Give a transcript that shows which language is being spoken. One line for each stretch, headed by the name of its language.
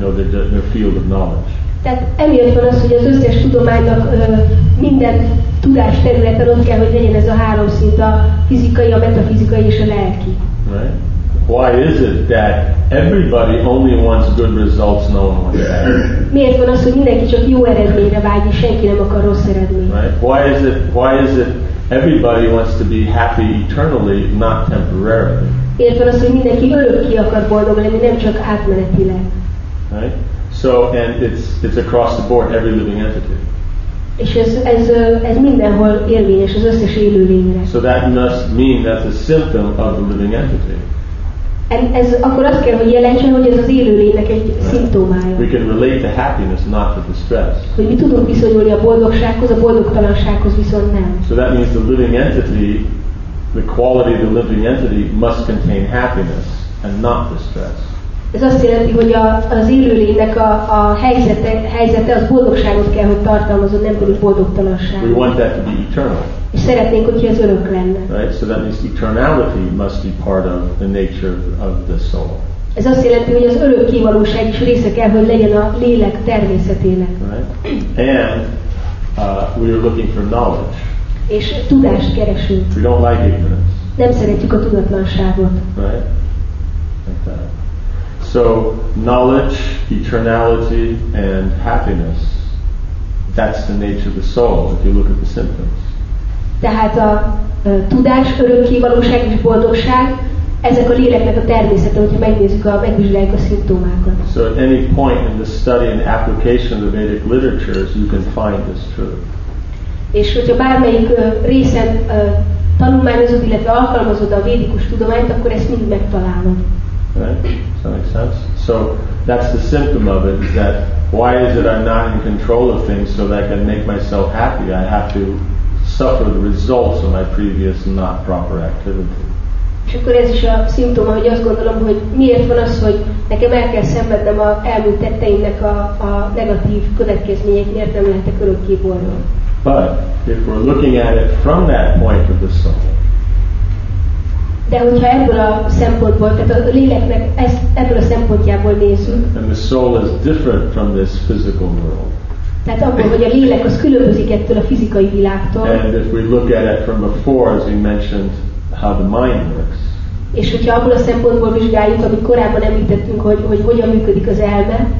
English: You know, their field of knowledge.
Hungarian: Tehát emiatt van az, hogy az összes tudománynak minden tudás területen ott kell, hogy legyen ez a három szint, a fizikai, a metafizikai és a lelki.
English: Right. Why is it that everybody only wants good results, no one wants bad?
Hungarian: Miért van az, hogy mindenki csak jó eredményre vágy, és senki nem akar rossz eredményt?
English: Right? Why is it everybody wants to be happy eternally, not temporarily?
Hungarian: Miért van az, hogy mindenki örökké akar boldog lenni, nem csak átmenetileg?
English: Right? So, and it's across the board, every living entity.
Hungarian: És ez mindenhol érvényes, az összes élő lényre.
English: So that must mean that's a symptom of the living entity.
Hungarian: Ez akkor azt kell, hogy jelentsen, hogy ez az élő lénynek egy szimptomája.
English: We can relate to happiness, not to distress.
Hungarian: Hogy mi tudunk viszonyulni a boldogsághoz, a boldogtalansághoz viszont nem.
English: So that means the living entity, the quality of the living entity must contain happiness and not distress.
Hungarian: Ez azt jelenti, hogy az élő lénynek a helyzete az boldogságot kell, hogy tartalmazon, nem pedig boldogtalanságot.
English: We want that to be eternal.
Hungarian: És szeretnénk, hogy ez örök lenne.
English: Right? So that means eternality must be part of the nature of the soul.
Hungarian: Ez azt jelenti, hogy az örökkévalóság is része kell, hogy legyen a lélek természetének.
English: Right? And we are looking for knowledge.
Hungarian: És tudást keresünk.
English: We don't like ignorance.
Hungarian: Nem szeretjük a tudatlanságot.
English: Right? So knowledge, eternality, and happiness, that's the nature of the soul, if you look at the symptoms.
Hungarian: Tehát a tudás, örökkévalóság és boldogság, ezek a léleknek a természete, hogyha megvizsgáljuk a szimptomákat.
English: So at any point in the study and application of the Vedic literatures, you can find this truth.
Hungarian: És hogyha bármelyik részen tanulmányozod, illetve alkalmazod a védikus tudományt, akkor ezt mind megtalálod.
English: Right? Does that make sense? So that's the symptom of it, is that why is it I'm not in control of things so that I can make myself happy? I have to suffer the results of my previous not proper activity.
Hungarian: És akkor ez is a szimptoma, hogy azt gondolom, hogy miért van az, hogy nekem el kell szenvednem az elmúlt tetteimnek a negatív következmények, miért nem lehetek örökké boldog.
English: But if we're looking at it from that point of the soul,
Hungarian: de hogyha ebből a szempontból, tehát a léleknek ebből a szempontjából nézünk.
English: And the soul is different from this physical world.
Hungarian: Tehát abból, hogy a lélek az különbözik ettől a fizikai világtól.
English: And if we look at it from before, as we mentioned, how the mind works.
Hungarian: És hogyha abból a szempontból vizsgáljuk, amit korábban említettünk, hogy hogyan működik az elme.